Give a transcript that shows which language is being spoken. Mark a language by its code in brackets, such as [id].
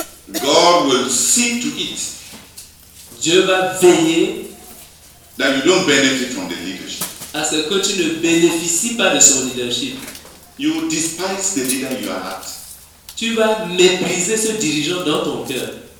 [en] God will see to it. [fr] Dieu va veiller [en] that you don't benefit from the leadership. [fr] À ce que tu ne bénéficies pas de son leadership. [en] You will despise the leader you are at. [fr] Tu vas mépriser ce dirigeant dans ton cœur.